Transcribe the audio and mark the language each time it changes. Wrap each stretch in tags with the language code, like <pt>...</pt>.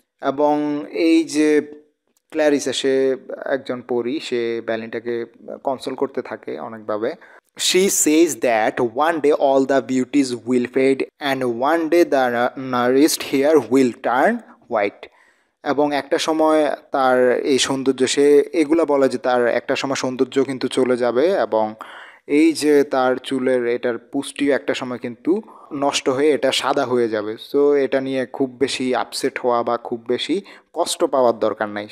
<bn>এবং এই যে ক্ল্যারিসা সে একজন পরি, সে ব্যালিন্ডাকে কনসোল করতে থাকে অনেকভাবে।</bn> <en>She says that one day all the beauties will fade and one day the nourished hair will turn white.</en> <bn>এবং একটা সময় তার এই সৌন্দর্য, সে এগুলা বলে যে তার একটা সময় সৌন্দর্য কিন্তু চলে যাবে এবং এই যে তার চুলের এটার পুষ্টিও একটা সময় কিন্তু নষ্ট হয়ে এটা সাদা হয়ে যাবে। সো এটা নিয়ে খুব বেশি আপসেট হওয়া বা খুব বেশি কষ্ট পাওয়ার দরকার নাই।</bn>